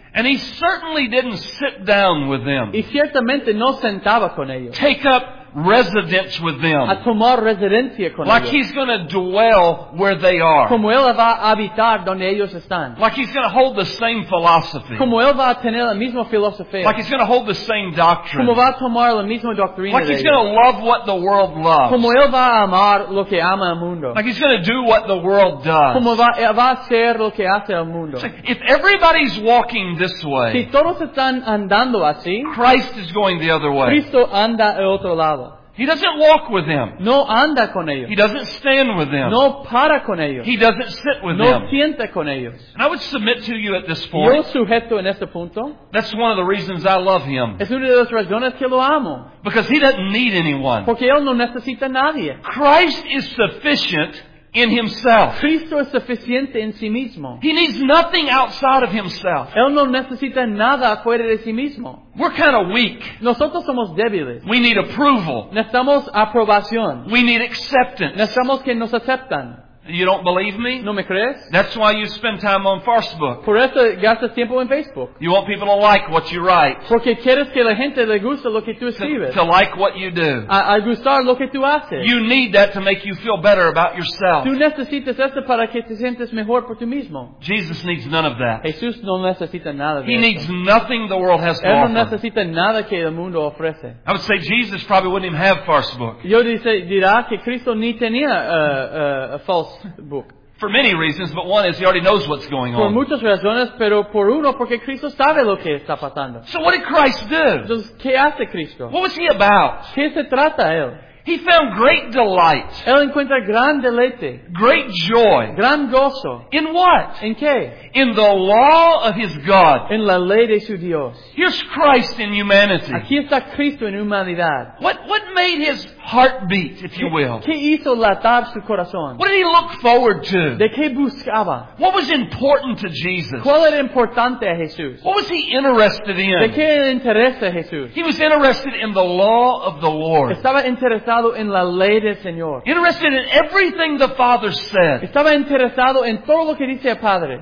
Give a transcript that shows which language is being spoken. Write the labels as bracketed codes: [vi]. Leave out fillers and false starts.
[en] And he certainly didn't sit down with them. [es] Y ciertamente no sentaba con ellos. [en] Take up residence with them. [es] A tomar residencia con [en] ellos. Like he's going to dwell where they are. [es] Como él va a habitar donde ellos están. [en] Like he's going to hold the same philosophy. [es] Como él va a tener la misma filosofía. [en] Like he's going to hold the same doctrine. [es] Como va a tomar la misma doctrina. [en] Like he's going to love what the world loves. [es] Como él va a amar lo que ama el mundo. [en] Like he's going to do what the world does. [es] Como va a ser lo que hace el mundo. [en] So if everybody's walking this way, [es] si todos están andando así, [en] Christ is going the other way. [es] Cristo anda el otro lado. [en] He doesn't walk with them. [es] No anda con ellos. [en] He doesn't stand with them. [es] No para con ellos. [en] He doesn't sit with [es] no [en] them. [es] No sienta con ellos. [en] And I would submit to you at this point. [es] Yo sujeto en este punto. [en] That's one of the reasons I love him. [es] Es una de las razones que lo amo. [en] Because he doesn't need anyone. [es] Porque él no necesita nadie. [en] Christ is sufficient in himself. [es] Cristo es suficiente en sí mismo. [en] He needs nothing outside of himself. [es] Él no necesita nada fuera de sí mismo. [en] We're kind of weak. [es] Nosotros somos débiles. [en] We need approval. [es] Necesitamos aprobación. [en] We need acceptance. [es] Necesitamos que nos aceptan. [en] You don't believe me? [es] ¿No me crees? [en] That's why you spend time on Facebook. [es] Por eso gastas tiempo en Facebook. [en] You want people to like what you write. [es] Porque quieres que la gente le guste lo que tú escribes. [en] To like what you do. [es] A gustar lo que tú haces. [en] You need that to make you feel better about yourself. [es] Tú necesitas eso para que te sientas mejor por ti mismo. [en] Jesus needs none of that. [es] Jesús no necesita nada de [en] eso. He needs nothing the world has to offer. [es] Él no necesita nada que el mundo ofrece. [en] I would say Jesus probably wouldn't even have Facebook. [es] Yo dirá que Cristo ni tenía false. [en] For many reasons, but one is he already knows what's going on. [es] Por muchas razones, pero por uno, porque Cristo sabe lo que está pasando. [en] So what did Christ do? [es] Entonces, ¿qué hace Cristo? [en] What was he about? [es] ¿Qué se trata él? [en] He found great delight. [es] Él encuentra gran deleite. [en] Great joy. [es] Gran gozo. [en] In what? [es] ¿En qué? [en] In the law of his God. [es] En la ley de su Dios. [en] Here's Christ in humanity. [es] Aquí está Cristo en humanidad. [en] What made his heartbeat, if you will. [es] ¿Qué hizo latir su corazón? [en] What did he look forward to? [es] ¿De qué buscaba? [en] What was important to Jesus? [es] ¿Cuál era importante a Jesús? [en] What was he interested in? [es] ¿De qué interesa Jesús? [en] He was interested in the law of the Lord. [es] Estaba interesado en la ley del Señor. [en] Interested in everything the Father said. [es] Estaba interesado en todo lo que dice el Padre.